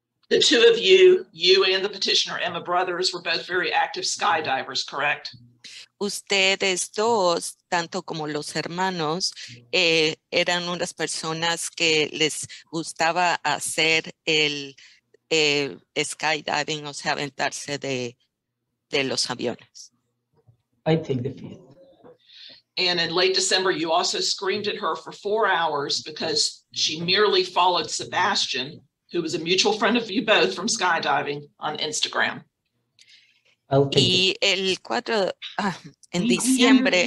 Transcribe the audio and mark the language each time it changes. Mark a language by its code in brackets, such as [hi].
[en] The two of you, you and the petitioner, Emma Brothers, were both very active skydivers, correct? [es] Ustedes dos, tanto como los hermanos, eran unas personas que les gustaba hacer el skydiving, o sea, aventarse de los aviones. [en] I take the fifth. And in late December, you also screamed at her for 4 hours because she merely followed Sebastian, who was a mutual friend of you both from skydiving, on Instagram. Okay. [es] Y el 4 en diciembre.